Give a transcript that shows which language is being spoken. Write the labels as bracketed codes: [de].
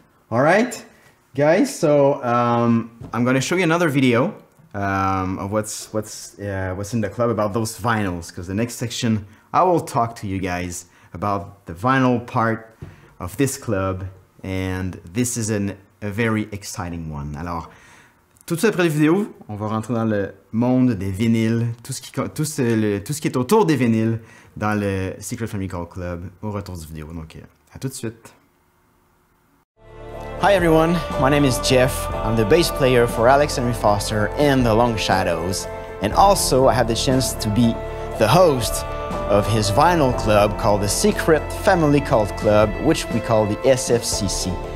[en] All right, guys, so I'm gonna show you another video of what's in the club about those vinyls, because the next section, I will talk to you guys about the vinyl part of this club, and this is a very exciting one. [fr] Alors, tout de suite après la vidéo, on va rentrer dans le monde des vinyles, tout ce qui est autour des vinyles dans le Secret Family Call Club au retour du vidéo. Donc, à tout de suite. [en] Hi everyone, my name is Jeff. I'm the bass player for Alex Henry Foster and The Long Shadows. And also, I have the chance to be the host of his vinyl club called the Secret Family Call Club, which we call the SFCC.